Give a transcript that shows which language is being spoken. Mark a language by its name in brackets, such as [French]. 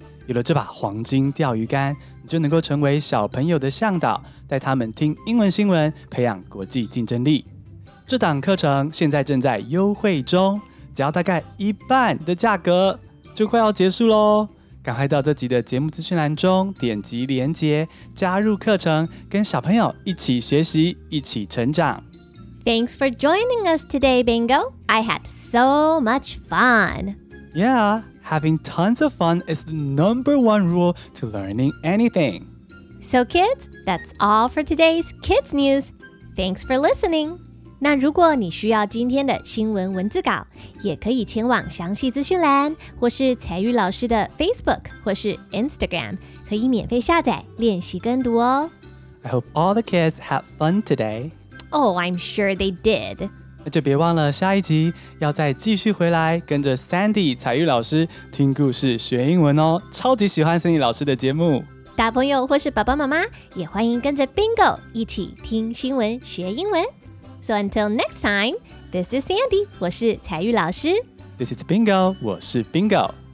[Chinese] 有了这把黄金钓鱼竿，你就能够成为小朋友的向导，带他们听英文新闻，培养国际竞争力。这档课程现在正在优惠中，只要大概一半的价格，就快要结束咯。赶快到这集的节目资讯栏中点击连结，加入课程，跟小朋友一起学习，一起成长。 [English] Thanks for joining us today, Bingo. I had so much fun. Yeah, having tons of fun is the number one rule to learning anything. So kids, that's all for today's Kids News. Thanks for listening. [Chinese] 那如果你需要今天的新闻文字稿，也可以前往详细资讯栏，或是彩玉老师的 Facebook 或是 Instagram， 可以免费下载练习跟读哦。 [English] I hope all the kids had fun today. Oh, I'm sure they did. [Chinese] 那就别忘了下一集要再继续回来跟着 Sandy 彩玉老师听故事学英文哦。超级喜欢 Sandy 老师的节目。大朋友或是爸爸妈妈也欢迎跟着 Bingo 一起听新闻学英文。 [English] So until next time, this is Sandy, [Chinese] 我是彩玉老师。 [English] This is Bingo, [Chinese] 我是 [English] Bingo.